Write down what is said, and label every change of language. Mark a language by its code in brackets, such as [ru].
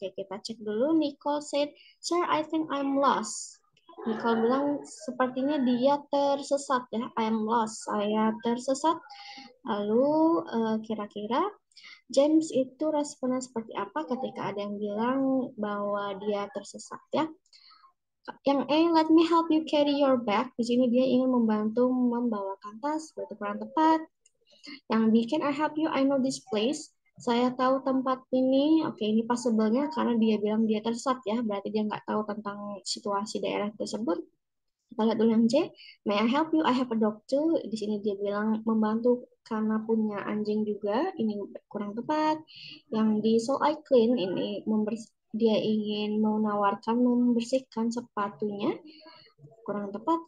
[id] Oke, kita cek dulu. [en] Nicole said, "Sir, I think I'm lost." [id] Nicole bilang sepertinya dia tersesat ya. [en] I'm lost, [id] saya tersesat. Lalu kira-kira James itu responnya seperti apa ketika ada yang bilang bahwa dia tersesat ya? Yang A, [en] let me help you carry your bag. [id] Di sini dia ingin membantu membawakan tas, itu kurang tepat. Yang B, [en] can I help you? I know this place. [id] Saya tahu tempat ini. Oke, ini possible-nya karena dia bilang dia tersesat ya. Berarti dia nggak tahu tentang situasi daerah tersebut. Kita lihat dulu yang C, [en] may I help you? I have a dog too. [id] Di sini dia bilang membantu karena punya anjing juga. Ini kurang tepat. Yang di so I clean, ini dia ingin menawarkan membersihkan sepatunya. Kurang tepat.